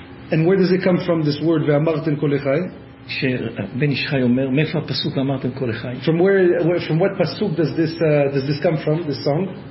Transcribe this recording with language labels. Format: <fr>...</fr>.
<en>and where does it come from, this word</en> <he>ואמרתם כל החי? שבן איש חי אומר, מאיפה הפסוק אמרתם כל החי?</he> <en>From what pasuk does this come from, this song?</en>